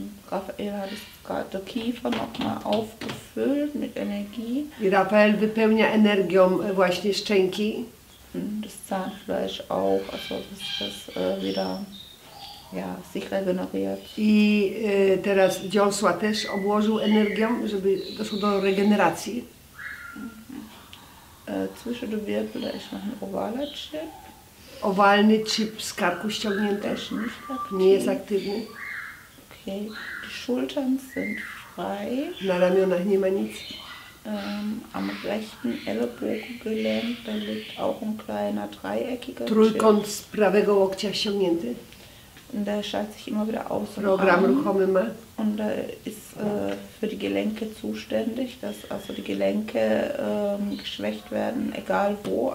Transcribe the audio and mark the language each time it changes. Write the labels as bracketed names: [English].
[German] Rafael hat gerade den Kiefer nochmal aufgefüllt mit Energie. [Polish] I Rafael wypełnia energią właśnie szczęki. [German] Das Zahnfleisch auch, also dass das wieder ja, sich regeneriert. [Polish] I teraz dziąsła też obłożył energią, żeby doszło do regeneracji. [German] Zwischen den Wirbeln ist noch ein ovaler Chip. [Polish] owalny czip z karku ściągnięty? Też [German] nicht aktiv. [Polish] Nie jest aktywny. Okay. [German] Die Schultern sind frei. [Polish] Na ramionach nie ma nic. [German] Am rechten Ellbogengelenk, da liegt auch ein kleiner dreieckiger [Polish] Trójkąt z prawego łokcia ściągnięty. [German] Der schaltet sich immer wieder aus. [Polish] Programm ruchomy ma. [German] Und da ist für die Gelenke zuständig, dass also die Gelenke geschwächt werden, egal wo.